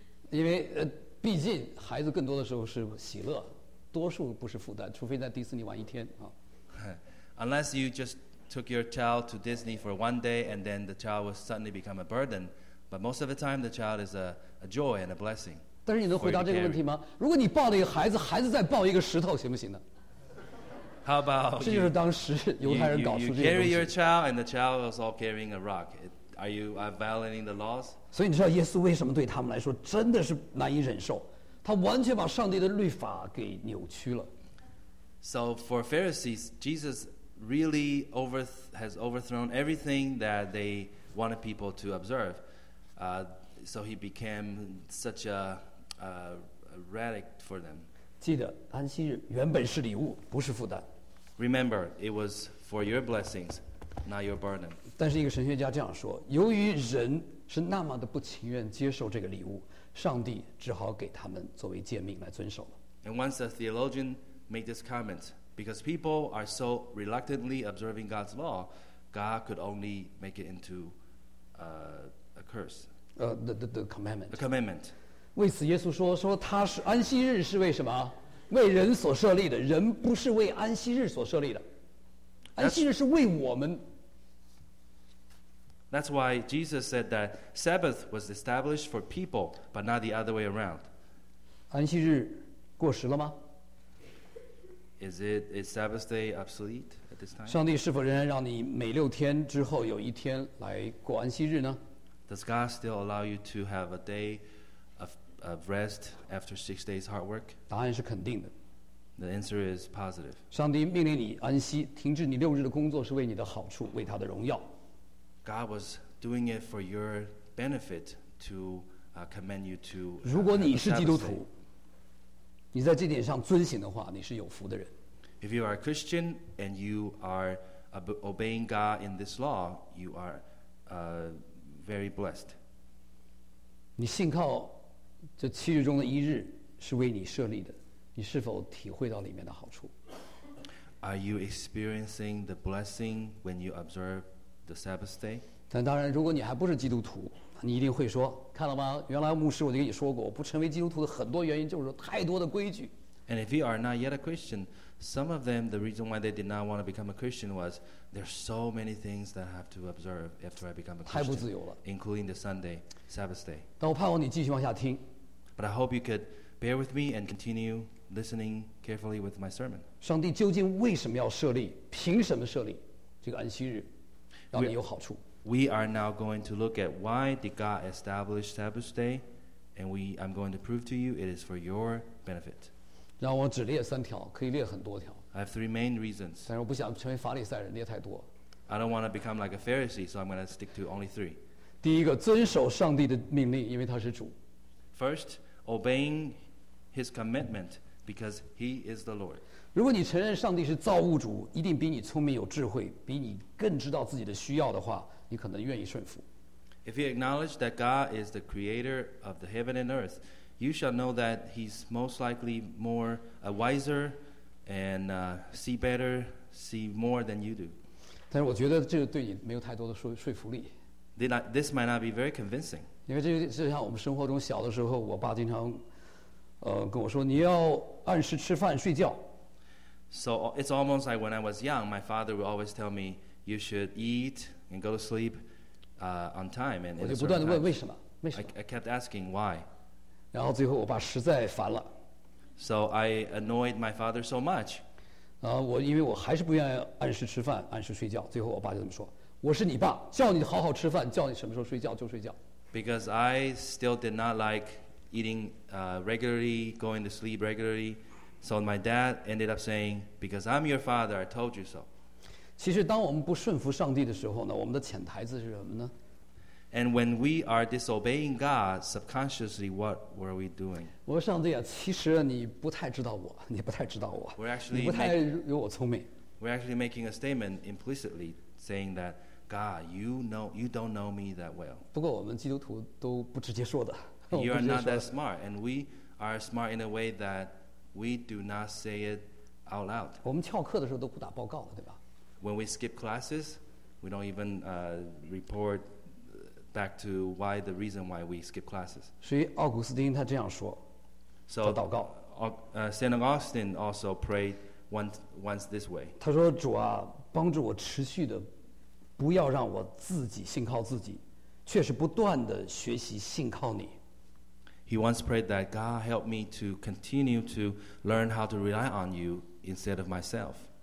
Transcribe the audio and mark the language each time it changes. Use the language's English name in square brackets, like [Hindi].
[Chinese] 因为毕竟孩子更多的时候是喜乐。多数不是负担，除非在迪士尼玩一天啊。 [English] Unless you just took your child to Disney for one day and then the child will suddenly become a burden, but most of the time the child is a joy and a blessing. [Chinese] 但是你能回答这个问题吗？如果你抱了一个孩子，孩子再抱一个石头，行不行呢？ [English] How about [Chinese] 这就是当时犹太人搞出这个东西。 [English] You carry your child, and the child was all carrying a rock. Are you violating the laws? [Chinese] 所以你知道耶稣为什么对他们来说真的是难以忍受？他完全把上帝的律法给扭曲了。 [English] So for Pharisees, Jesus really has overthrown everything that they wanted people to observe. So he became such a relic for them. [Chinese] 记得安息日原本是礼物，不是负担。 [English] Remember, it was for your blessings, not your burden. [Chinese] 但是一个神学家这样说：由于人是那么的不情愿接受这个礼物，上帝只好给他们作为诫命来遵守了。 [English] And once a theologian made this comment, because people are so reluctantly observing God's law, God could only make it into a curse. The commandment. A commandment. [Chinese] 为此耶稣说他是安息日是为什么为人所设立的人不是为安息日所设立的安息日是为我们 [English] That's why Jesus said that Sabbath was established for people but not the other way around [Chinese] 安息日过时了吗 [English] Is Sabbath day obsolete at this time? [Chinese] 上帝是否仍然让你每六天之后有一天来过安息日呢 [English] Does God still allow you to have a dayOf rest after 6 days hard work? [Chinese] 答案是肯定的。 [English] The answer is positive. [Chinese] 上帝命令你安息，停止你六日的工作，是为你的好处，为他的荣耀。 [English] God was doing it for your benefit to commend you to. [Chinese] 如果你是基督徒，你在这点上遵行的话，你是有福的人。 [English] If you are a Christian and you are obeying God in this law, you are very blessed. [Chinese] 你信靠。这七日中的一日是为你设立的，你是否体会到里面的好处 [English] ？Are you experiencing the blessing when you observe the Sabbath day？ [Chinese] 但当然，如果你还不是基督徒，你一定会说：“看了吗？原来牧师我就跟你说过，我不成为基督徒的很多原因就是太多的规矩。 [English] ”And if you are not yet a Christian, some of them the reason why they did not want to become a Christian was there's so many things that I have to observe after I become a Christian. [Chinese] 太不自由了 [English] ，including the Sunday. Sabbath day. [Chinese] 但我盼望你继续往下听。 [English] But I hope you could bear with me and continue listening carefully with my sermon. [Chinese] 上帝究竟为什么要设立？凭什么设立这个安息日，让你有好处 [English] ？We are now going to look at why did God establish Sabbath day, and I'm going to prove to you it is for your benefit. [Chinese] 让我只列三条，可以列很多条。 [English] I have three main reasons. [Chinese] 但是我不想成为法利赛人，列太多。 [English] I don't want to become like a Pharisee, so I'm going to stick to only three. [Chinese] 第一个，遵守上帝的命令，因为他是主。 [English] First, obeying His commandment because He is the Lord. [Chinese] 如果你承认上帝是造物主，一定比你聪明有智慧，比你更知道自己的需要的话，你可能愿意顺服。 [English] If you acknowledge that God is the creator of the heaven and earth, you shall know that He's most likely more a wiser and see better, see more than you do. [Chinese] 但是我觉得这个对你没有太多的说服力。 [English] This might not be very convincing. [Chinese] 因为这就像我们生活中小的时候，我爸经常，跟我说，你要按时吃饭睡觉。 [English] So it's almost like when I was young, my father would always tell me you should eat and go to sleep, on time. And [Chinese] 我就不断地问为什么，为什么 [English] ？I kept asking why. [Chinese] 然后最后我爸实在烦了。 [English] So I annoyed my father so much. [Chinese] 我因为我还是不愿意按时吃饭、按时睡觉，最后我爸就这么说。我是你爸，叫你好好吃饭，叫你什么时候睡觉就睡觉。 [English] Because I still did not like eating regularly, going to sleep regularly, so my dad ended up saying, "Because I'm your father, I told you so." [Chinese] 其实，当我们不顺服上帝的时候呢，我们的潜台词是什么呢 [English] ？And when we are disobeying God, subconsciously, what were we doing? [Chinese] 我说上帝啊，其实你不太知道我，你不太知道我， [English] we're actually [Chinese] 你不太有我聪明。 [English] We're actually making a statement implicitly. Saying that God, you don't know me that well. [Chinese] 不过我们基督徒都不直接说的。 [English] You are not that smart, and we are smart in a way that we do not say it out loud. [Chinese] 我们翘课的时候都不打报告了，对吧 [English] ？When we skip classes, we don't even report back to why the reason why we skip classes. [Chinese] 所以奥古斯丁他这样说，他祷告。 [English] So, Saint Augustine also prayed once this way. [Chinese] 他说：“主啊，帮助我持续的，不要让我自己信靠自己，却是不断的学习信靠你。” [English] He once prayed that God help me to continue to learn how to rely on you instead of myself.